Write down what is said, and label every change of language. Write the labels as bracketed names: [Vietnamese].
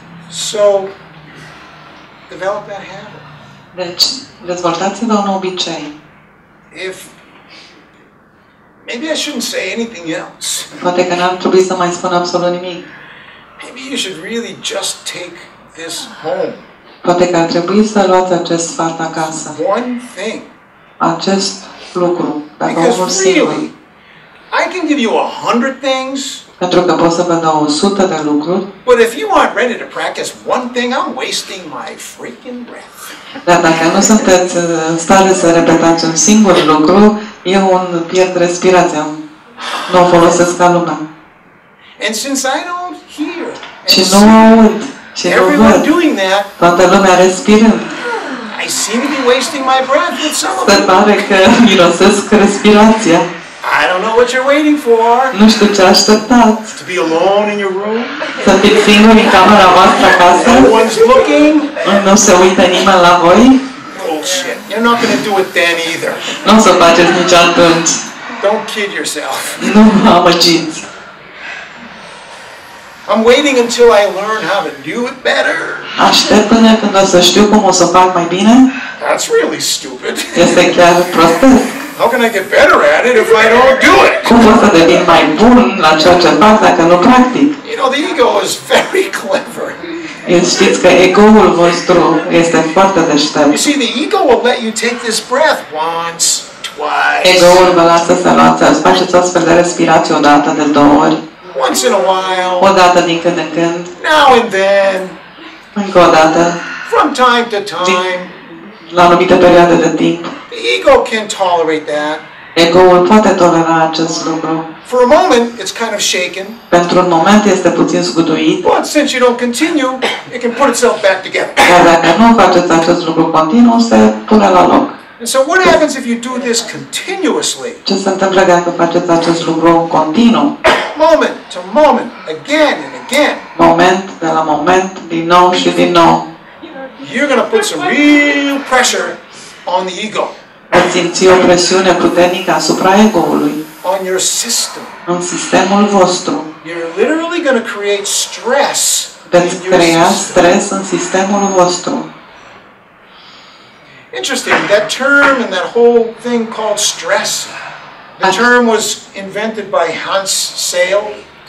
[English] So develop that habit. [Romanian] Deci, dezvoltați-vă un obicei. [English] If maybe I shouldn't say anything else. [Romanian] Poate că n-ar trebui să mai spun absolut nimic. [English] Maybe you should really just take this home. [Romanian] Poate că ar trebui să luați acest sfat acasă. [English] One thing. [Romanian] Acest lucru. [English] Because really, I can give you 100 things. [Romanian] Pentru că pot să vă dau 100 de lucruri. [English] But if you aren't ready to practice one thing, I'm wasting my freaking breath. [Romanian] Dar dacă nu sunteți în stare să repetați un singur lucru, eu pierd respirația. Nu o folosesc ca lumea. [English] And since I don't hear, [Romanian] și nu aud, și nu văd, toată lumea respiră. [English] I seem to be wasting my breath with some of them. [Romanian] Se pare că mirosesc respirația. [English] I don't know what you're waiting for. [Romanian] Nu știu ce așteptați. [English] To be alone in your room. [Romanian] Să fiți singur în camera voastră acasă. [English] No one's looking. [Romanian] Nu se uită nimeni la voi. [English] Bullshit. You're not going to do it then either. [Romanian] Nu să faceți nici atunci. [English] Don't kid yourself. [Romanian] Nu mă amăgiți. [English] I'm waiting until I learn how to do it better. [Romanian] Aștept până când o să știu cum o să fac mai bine. [English] That's really stupid. [Romanian] Este chiar prostesc. [English] How can I get better at it if I don't do it? [Romanian] Cum pot să devin mai bun la ceea ce fac dacă nu practic? [English] You know, the ego is very clever. [Romanian] Știți că ego-ul vostru este foarte deștept. [English] You see, the ego will let you take this breath once, twice. [Romanian] Ego-ul vă lasă să luați, să faceți astfel de respirație o dată de două ori. [English] Once in a while. [Romanian] O dată din când în când. [English] Now and then. [Romanian] Încă o dată. [English] From time to time. [Romanian] La anumită perioadă de timp. [English] The ego can tolerate that. [Romanian] Ego-ul poate tolera acest lucru. [English] For a moment, it's kind of shaken. [Romanian] Pentru un moment este puțin zguduit. [English] But since you don't continue, it can put itself back together. [Romanian] Dar dacă nu faceți acest lucru continuu, se pune la loc. [English] And so what happens if you do this continuously? [Romanian] Ce se întâmplă dacă faceți acest lucru continuu? [English] Moment to moment, again and again. [Romanian] Moment de la moment, din nou și din nou. [English] You're going to put some real pressure on the ego. [Romanian] Vei simți o presiune puternică asupra ego-ului. [English] On your system. [Romanian] În sistemul vostru. [English] You're literally going to create stress. [Romanian] Veți crea stres în sistemul vostru. [English] Interesting, that term and that whole thing called stress. The term was invented by Hans Seyli.